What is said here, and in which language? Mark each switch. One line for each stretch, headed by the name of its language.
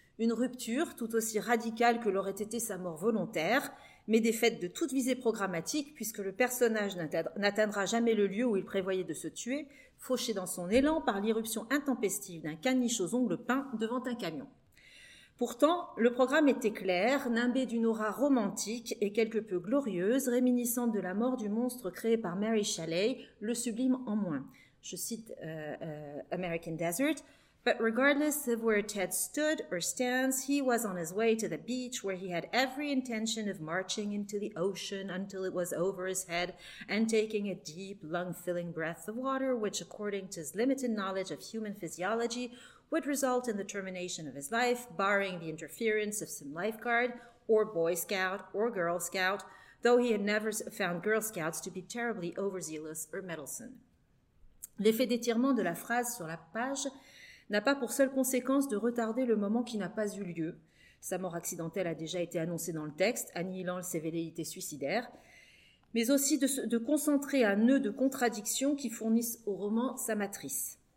French: Une rupture tout aussi radicale que l'aurait été sa mort volontaire, mais défaite de toute visée programmatique puisque le personnage n'atteindra jamais le lieu où il prévoyait de se tuer, fauché dans son élan par l'irruption intempestive d'un caniche aux ongles peints devant un camion. Pourtant, le programme était clair, nimbé d'une aura romantique et quelque peu glorieuse, réminiscente de la mort du monstre créé par Mary Shelley, le sublime en moins. Je cite American Desert.
English: But regardless of where Ted stood or stands, he was on his way to the beach where he had every intention of marching into the ocean until it was over his head and taking a deep, lung-filling breath of water, which, according to his limited knowledge of human physiology, would result in the termination of his life, barring the interference of some lifeguard or Boy Scout or Girl Scout, though he had never found Girl Scouts to be terribly overzealous or meddlesome.
French: L'effet d'étirement de la phrase sur la page n'a pas pour seule conséquence de retarder le moment qui n'a pas eu lieu. Sa mort accidentelle a déjà été annoncée dans le texte, annihilant ses velléités suicidaires, mais aussi de concentrer un nœud de contradictions qui fournissent au roman sa matrice.